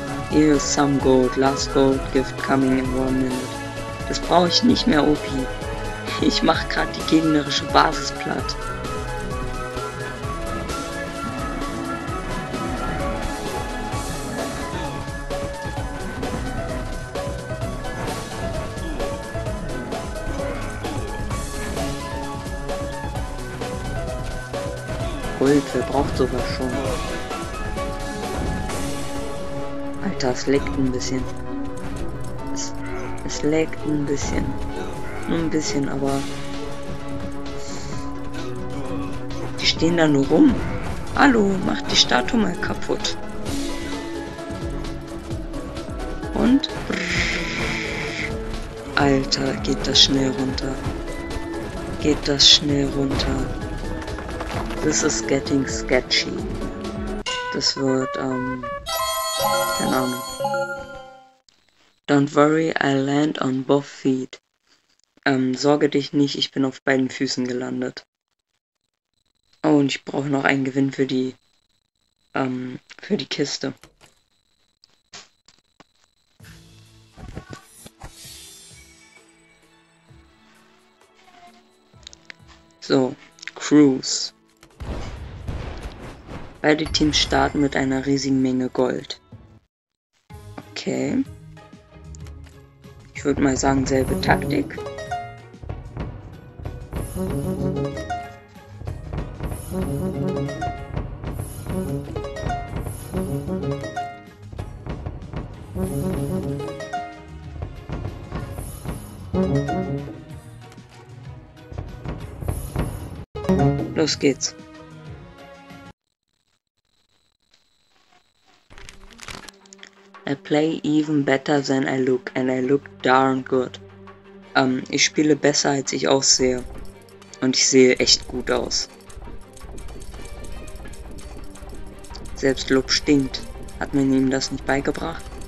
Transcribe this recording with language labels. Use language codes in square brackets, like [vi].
[en] Here is some gold, last gold gift coming in 1 minute. [de] Das brauche ich nicht mehr, Opi. Ich mache gerade die gegnerische Basis platt. Gold, wer braucht sowas schon? Das leckt ein bisschen. Es leckt ein bisschen. Nur ein bisschen, aber... Die stehen da nur rum. Hallo, mach die Statue mal kaputt. Und... Alter, geht das schnell runter. Geht das schnell runter. [en] This is getting sketchy. [de] Das wird, keine Ahnung. [en] Don't worry, I land on both feet. [de] Sorge dich nicht, ich bin auf beiden Füßen gelandet. Oh, und ich brauche noch einen Gewinn für die Kiste. So, Cruise. Beide Teams starten mit einer riesigen Menge Gold. Okay. Ich würde mal sagen, selbe Taktik. Los geht's. [en] I play even better than I look, and I look darn good. [de] Ich spiele besser, als ich aussehe. Und ich sehe echt gut aus. Selbstlob stinkt. Hat man ihm das nicht beigebracht?